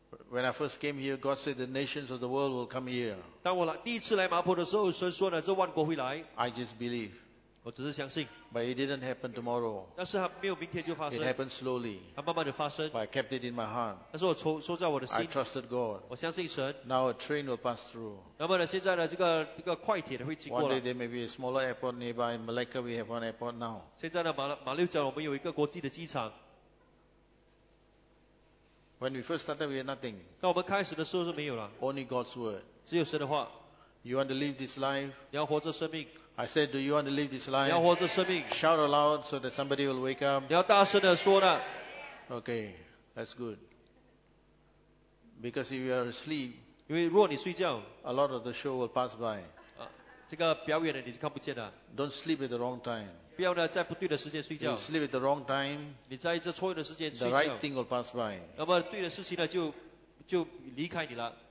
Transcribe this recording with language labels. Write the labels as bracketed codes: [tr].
[en] When I first came here, God said the nations of the world will come here. I just believe. [zh] 我只是相信。 [en] But it didn't happen tomorrow. [zh] 但是它没有明天就发生。 [en] It happened slowly. [zh] 它慢慢的发生。 [en] But I kept it in my heart. [zh] 但是我收在我的心。 [en] I trusted God. [zh] 我相信神。 [en] Now a train will pass through. [zh] 那么呢，现在呢，这个快铁会经过了。 [en] One day there may be a smaller airport nearby in Malacca. We have one airport now. [zh] 现在呢，马六甲我们有一个国际的机场。 [en] When we first started, we had nothing. [zh] 当我们开始的时候是没有了。 [en] Only God's word. [zh] 只有神的话。 [en] You want to live this life? [zh] 要活着生命。 [en] I said, do you want to live this life? [zh] 要活着生命。 [en] Shout aloud so that somebody will wake up. [zh] 要大声地说的。 [en] Okay, that's good. Because if you are asleep, [zh] 因为如果你睡觉， [en] a lot of the show will pass by. [zh] 这个表演的你是看不见的。 [en] Don't sleep at the wrong time. [zh] 不要呢在不对的时间睡觉。 [en] You sleep at the wrong time. [zh] 你在这错误的时间睡觉。 [en] The right thing will pass by. [zh] 那么对的事情呢就离开你了。